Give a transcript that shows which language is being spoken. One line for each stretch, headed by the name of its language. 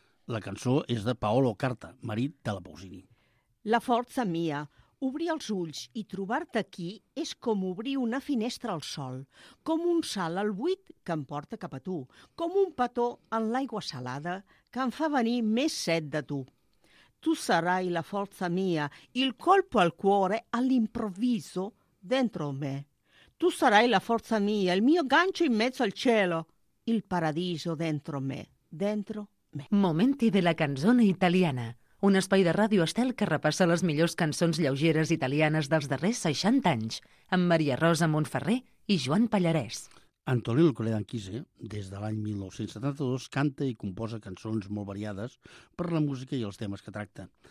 Catalan: La cançó és de Paolo Carta, marit de la Pausini. La Forza Mia, obrir els ulls i trobar-te aquí és com obrir una finestra al sol, com un salt al buit que em porta cap a tu, com un petó en l'aigua salada que em fa venir més set de tu.
Italian: Tu sarai la forza mia, il colpo al cuore all'improvviso dentro me. Tu sarai la forza mia, il mio gancio in mezzo al cielo, il paradiso dentro me, dentro me.
Catalan: Momenti della canzone italiana, un espai de Ràdio Estel que repassa les millors cançons lleugeres italianes dels darrers 60 anys, amb Maria Rosa Montferrer i Joan Pallarès. Antonio Lucrelianquise, des de l'any 1972, canta i composa cançons molt variades per la música i els temes que tracta.